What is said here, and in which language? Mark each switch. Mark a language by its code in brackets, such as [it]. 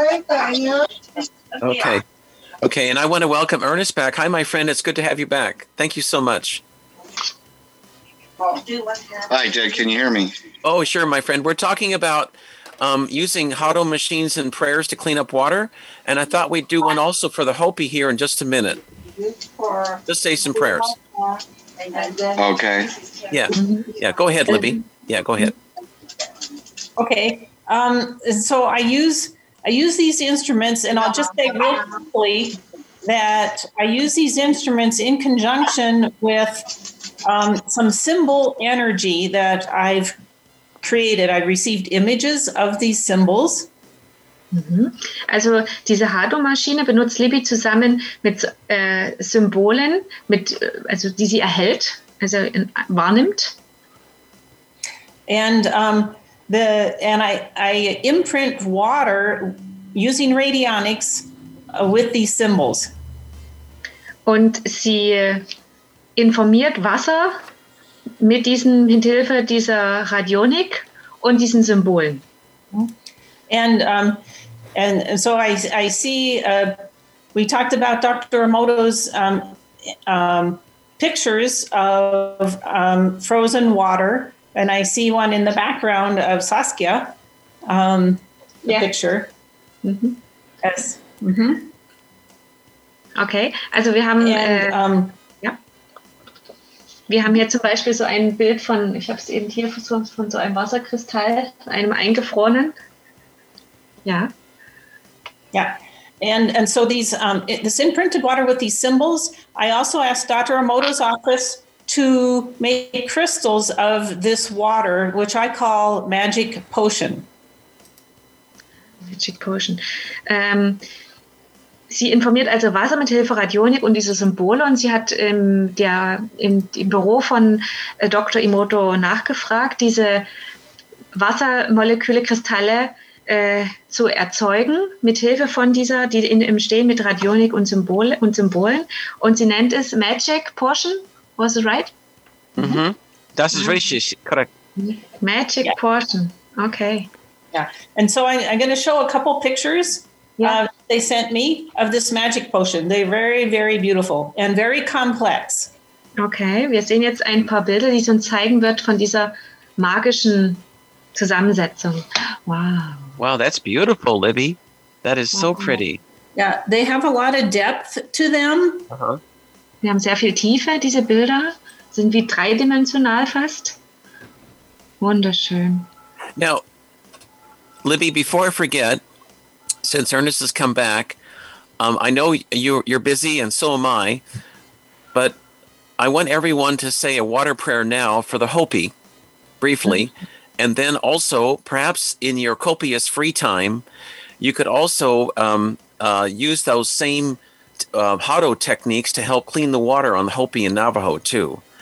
[en] Okay. Okay, and I want to welcome Ernest back. Hi, my friend. It's good to have you back. Thank you so much. Hi, Jed. Can you hear me? Oh, sure, my friend. We're talking about using Hado machines and prayers to clean up water, and I thought we'd do one also for the Hopi here in just a minute. Just say some prayers. Okay. Yeah. Yeah, go ahead, Libby. Yeah, go ahead. Okay. So I use these instruments, and I'll just say real quickly that I use these instruments in conjunction with some symbol energy that I've created. I've received images of these symbols. [de] Also diese Hado-Maschine benutzt Libby zusammen mit Symbolen, mit, also die sie erhält, also wahrnimmt. [en] And I imprint water using radionics with these symbols. [de] Und sie informiert Wasser mit diesen, mithilfe dieser Radionik und diesen Symbolen. [en] And so I see, we talked about Dr. Emoto's pictures of frozen water, and I see one in the background of Saskia, the picture. Mm-hmm. Yes. [de] Mm-hmm. Okay, also wir haben... Wir haben hier zum Beispiel so ein Bild von, ich habe es eben hier versucht, von so einem Wasserkristall, einem eingefrorenen. Ja. Ja. [en] And so these this imprinted water with these symbols, I also asked Dr. Emoto's office to make crystals of this water, which I call Magic Potion. Magic Potion. [de] Sie informiert also Wasser mit Hilfe Radionik und diese Symbole, und sie hat im Büro von Dr. Emoto nachgefragt, diese Wassermoleküle, Kristalle zu erzeugen mit Hilfe von dieser, die im Stehen mit Radionik und Symbolen, und sie nennt es Magic Potion. [en] Was it right? Mm-hmm. [de] Das ist richtig, korrekt. [en] Magic Potion. Okay. Yeah. And so I'm going to show a couple pictures. Yeah. They sent me of this magic potion. They're very, very beautiful and very complex. [de] Okay, wir sehen jetzt ein paar Bilder, die es uns zeigen wird von dieser magischen Zusammensetzung. [en] Wow. Wow, that's beautiful, Libby. That is so pretty. Yeah, they have a lot of depth to them. Uh-huh. [de] Wir haben sehr viel Tiefe, diese Bilder. Sind wie dreidimensional fast. Wunderschön. [en] Now, Libby, before I forget, since Ernest has come back, I know you're busy and so am I, but I want everyone to say a water prayer now for the Hopi, briefly, and then also, perhaps in your copious free time, you could also use those same Hado techniques to help clean the water on the Hopi and Navajo, too.